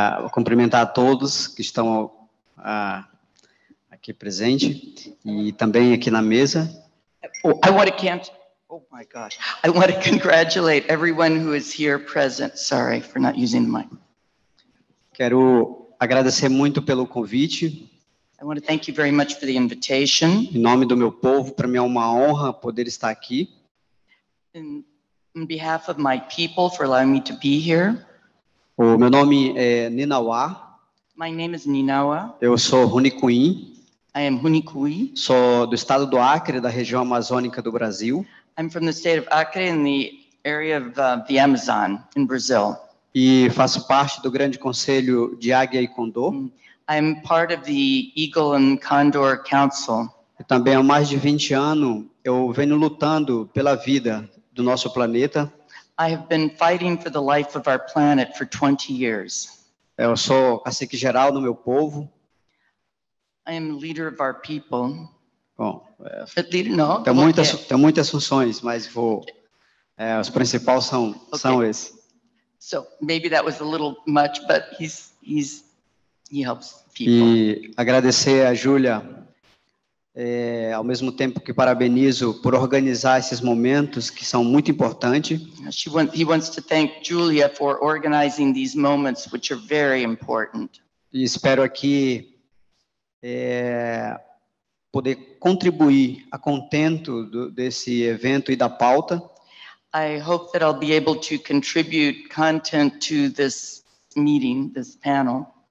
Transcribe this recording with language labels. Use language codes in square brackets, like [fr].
[pt] Cumprimentar a todos que estão aqui presente e também aqui na mesa. [en] I want to congratulate everyone who is here present. Sorry for not using the mic. [pt] Quero agradecer muito pelo convite. [en] I want to thank you very much for the invitation. [pt] Em nome do meu povo, para mim é uma honra poder estar aqui. [en] In behalf of my people for allowing me to be here. [pt] O meu nome é Ninawa. [en] My name is Ninawa. [pt] Eu sou Runikui. [en] I am Runikui. [pt] Sou do estado do Acre, da região amazônica do Brasil. [en] I'm from the state of Acre in the area of the Amazon in Brazil. [pt] E faço parte do grande conselho de Águia e Condor. [en] I'm part of the Eagle and Condor Council. [pt] E também há mais de 20 anos eu venho lutando pela vida do nosso planeta. [en] I have been fighting for the life of our planet for 20 years. [pt] Eu sou cacique geral do meu povo. [en] I am leader of our people. [pt] Bom, tem muitas funções, mas vou... os principais são esses. [en] So, maybe that was a little much, but he's He helps people. [pt] E agradecer a Júlia, ao mesmo tempo que parabenizo por organizar esses momentos que são muito importantes. [en] He wants to thank Julia for organizing these moments, which are very important. [pt] E espero aqui poder contribuir a contento desse evento e da pauta. [en] I hope that I'll be able to contribute content to this meeting, this panel.